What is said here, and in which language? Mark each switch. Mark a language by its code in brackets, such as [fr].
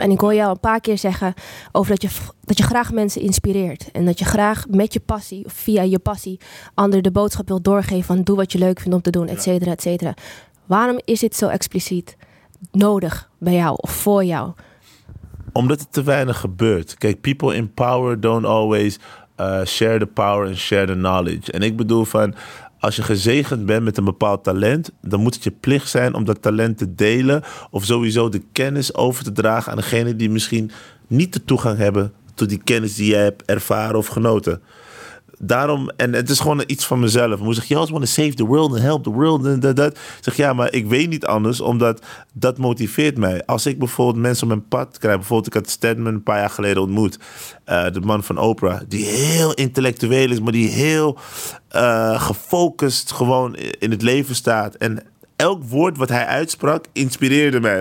[nl] En ik hoor jou een paar keer zeggen over dat je graag mensen inspireert. En dat je graag met je passie, of via je passie, anderen de boodschap wil doorgeven van doe wat je leuk vindt om te doen, et cetera, et cetera. Waarom is dit zo expliciet nodig bij jou of voor jou? Omdat het te weinig gebeurt. [en] Kijk, people in power don't always share the power and share the knowledge. [nl] En ik bedoel van, als je gezegend bent met een bepaald talent, dan moet het je plicht zijn om dat talent te delen of sowieso de kennis over te dragen aan degene die misschien niet de toegang hebben tot die kennis die jij hebt ervaren of genoten. daarom, en het is gewoon iets van mezelf. Moet zeggen, [en] you always want to save the world and help the world. [nl] En dat. Zeg, ja, maar ik weet niet anders, omdat dat motiveert mij. Als ik bijvoorbeeld mensen op mijn pad krijg, bijvoorbeeld ik had Stedman een paar jaar geleden ontmoet. De man van Oprah, die heel intellectueel is, maar die heel gefocust gewoon in het leven staat. En elk woord wat hij uitsprak, inspireerde mij.